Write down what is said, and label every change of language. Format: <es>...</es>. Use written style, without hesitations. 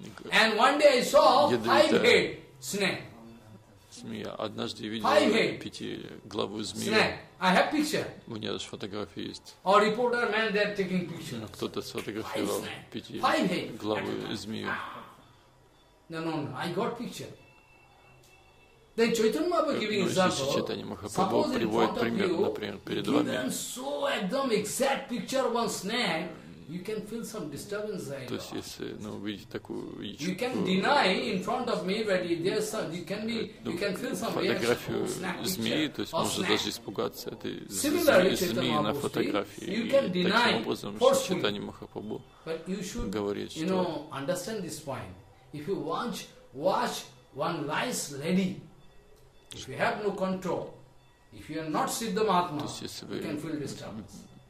<en>And one day I saw five-headed snake.</en> <ru>Змея. Однажды я видел пятиглавую змею.</ru> <en>Snake. I have picture.</en> <ru>У меня даже фотография есть.</ru> <en>A reporter man there taking picture.</en> <ru>Ну, кто-то сфотографировал пятиглавую змею.</ru> <en>No. I got picture. Then Chaitanya Mahaprabhu giving example.</en> <ru>Ну, Чайтанья Махапрабху приводит пример, например, перед вами.</ru> <en>So exact picture one snake. You can feel some disturbance there.</en> <ru>То есть, если, ну, увидеть такую,</ru> <en>you can deny in front of me, ready? There's some. You can be. Ну, you can feel some reaction.</en> <ru>Фотографию змеи, то есть, можно даже испугаться этой змеи на фотографии.</ru> <en>You can deny.</en> <ru>Таким образом, Шичитани Махапрабху говорит, что.</ru> <en>You know, understand this point. If you watch one nice lady, if you have no control, if you are not Siddha Mahatma, you can feel disturbance.</en>